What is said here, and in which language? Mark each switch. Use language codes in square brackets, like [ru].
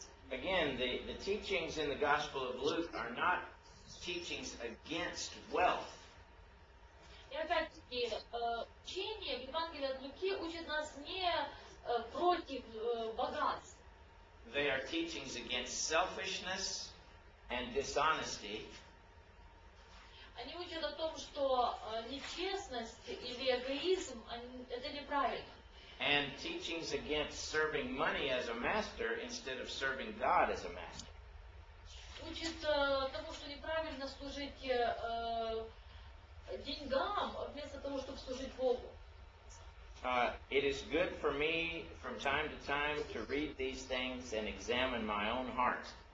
[en] Again, the teachings in the Gospel of Luke are not teachings against wealth. [ru] И опять-таки, учение в Евангелии от Луки учит нас не против богатств. [en] They are teachings against selfishness and dishonesty. [ru] Они учат о том, что нечестность или эгоизм – это неправильно. [en] And teachings against serving money as a master instead of serving God as a master. [ru] Учит тому, что неправильно служить деньгам вместо того, чтобы служить Богу. [en] It is good for me from time to time to read these things and examine my own heart.